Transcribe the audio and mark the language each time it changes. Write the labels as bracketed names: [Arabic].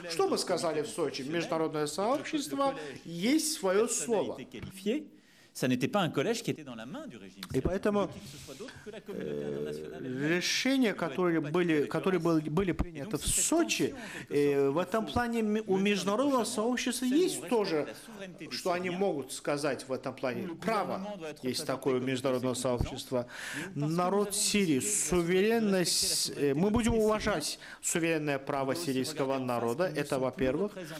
[Russian] Что мы сказали в Сочи? Международное сообщество есть свое слово. [French] Ça n'était pas un collège qui était dans la main du régime. [Russian] И поэтому решения, которые были приняты в Сочи, в этом плане у международного сообщества есть тоже, что они могут сказать в этом плане. Право есть такое у международного сообщества. Народ Сирии, суверенность, мы будем уважать суверенное право сирийского народа, это во-первых.